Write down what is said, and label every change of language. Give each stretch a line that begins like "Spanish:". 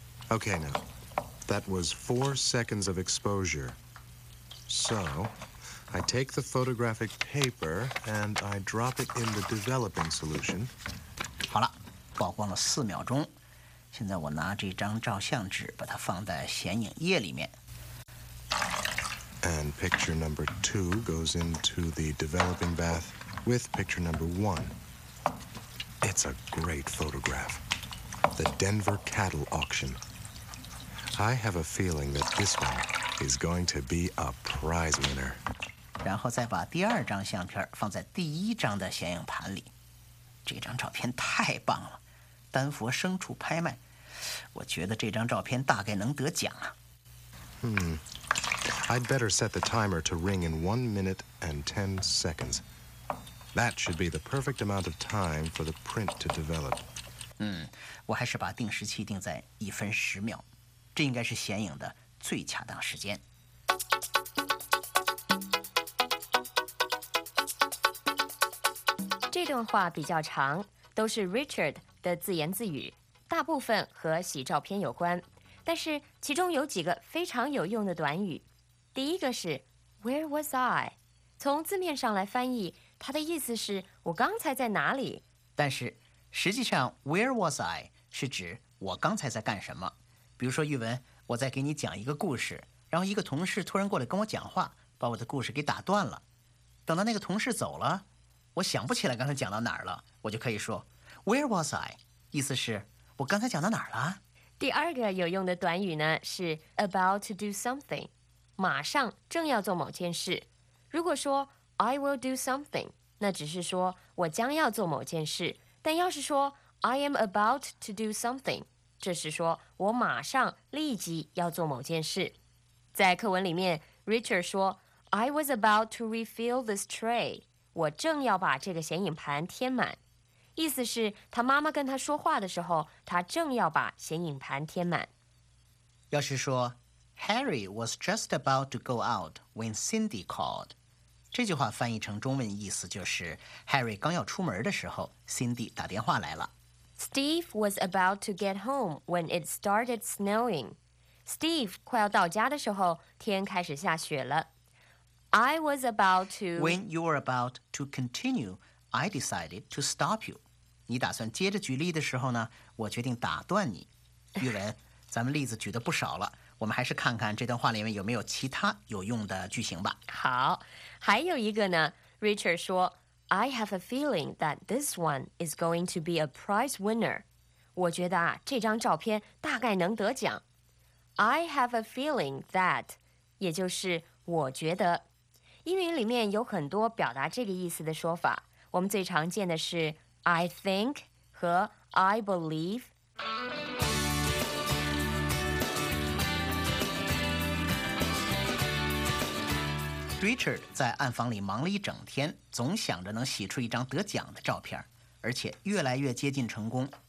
English: Okay, now, that was 4 seconds of exposure. So, I take the photographic paper and I drop it in the developing solution.
Chinese: 好了，曝光了4秒钟。现在我拿这张照相纸，把它放在显影液里面。
English: And picture number 2 goes into the developing bath with picture number 1. It's a great photograph. The Denver cattle auction. I have a feeling that this one is going to be a prize winner.
Chinese: 然后再把第二张相片放在第一张的显影盘里。这张照片太棒了，丹佛牲畜拍卖。我觉得这张照片大概能得奖啊。
English: I'd better set the timer to ring in 1 minute and 10 seconds. That should be the perfect amount of time for the print to develop.
Chinese: 我还是把定时器定在1分10秒，这应该是显影的最恰当时间。这段话比较长，都是 Richard 的自言自语，大部分和洗照片有关，但是其中有几个非常有用的短语。第一个是
English: Where was I?
Chinese: 从字面上来翻译，它的意思是我刚才在哪里。但是实际上
English: Where was I?
Chinese: 是指我刚才在干什么。比如说玉文，我在给你讲一个故事，然后一个同事突然过来跟我讲话，把我的故事给打断了。等到那个同事走了，我想不起来刚才讲到哪儿了，我就可以说
English: Where was I?
Chinese: 意思是我刚才讲到哪儿了。第二个有用的短语呢，是
English: about to do something，
Chinese: 马上正要做某件事。如果说
English: I will do something，
Chinese: 那只是说我将要做某件事。但要是说
English: I am about to do something，
Chinese: 这是说我马上立即要做某件事。在课文里面 ，Richard 说
English: I was about to refill this tray，
Chinese: 我正要把这个显影盘填满。意思是他妈妈跟他说话的时候，他正要把显影盘填满。要是说
English: Harry was just about to go out when Cindy called.
Chinese: 这句话翻译成中文意思就是 Harry 刚要出门的时候 ,Cindy 打电话来了。
English: Steve was about to get home when it started snowing.
Chinese: Steve 快要到家的时候天开始下雪了。
English: I was about to... When you were about to continue, I decided to stop you.
Chinese: 你打算接着举例的时候呢，我决定打断你。玉文，咱们例子举得不少了。我们还是看看这段话里面有没有其他有用的句型吧。好，还有一个呢，
English: Richard
Chinese: 说
English: I have a feeling that this one is going to be a prize winner.
Chinese: 我觉得啊，这张照片大概能得奖。
English: I have a feeling that，
Chinese: 也就是我觉得。英语里面有很多表达这个意思的说法，我们最常见的是
English: I think
Chinese: 和
English: I believe。
Chinese: Richard 在暗房里忙了一整天，总想着能洗出一张得奖的照片，而且越来越接近成功。